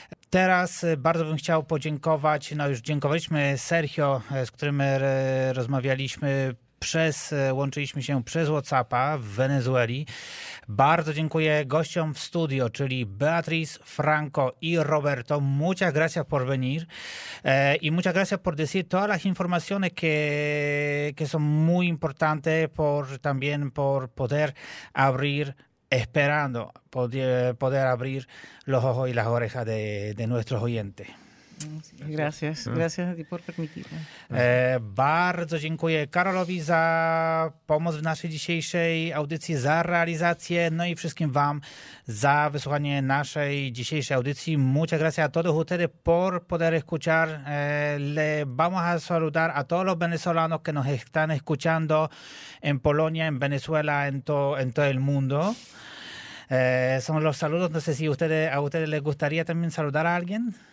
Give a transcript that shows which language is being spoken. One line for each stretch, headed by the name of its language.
Polish: Teraz bardzo bym chciał podziękować, no już dziękowaliśmy Sergio, z którym rozmawialiśmy, łączyliśmy się przez WhatsAppa w Wenezueli. Bardzo dziękuję gościom w studio, czyli Beatriz, Franco i Roberto.
Spanish: Muchas gracias por venir. Y muchas gracias por decir todas las informaciones que son muy importantes por poder abrir esperando, poder abrir los ojos y las orejas de nuestros oyentes. Gracias, gracias a ti por permitirme.
Polish: Bardzo dziękuję Karolowi za pomoc w naszej dzisiejszej audycji, za realizację, no i wszystkim wam za wysłuchanie naszej dzisiejszej audycji.
Spanish: Muchas gracias a todos ustedes por poder escuchar. Le vamos a saludar a todos los venezolanos que nos están escuchando en Polonia, en Venezuela, en todo el mundo. Son los saludos, no sé si a ustedes les gustaría también saludar a alguien.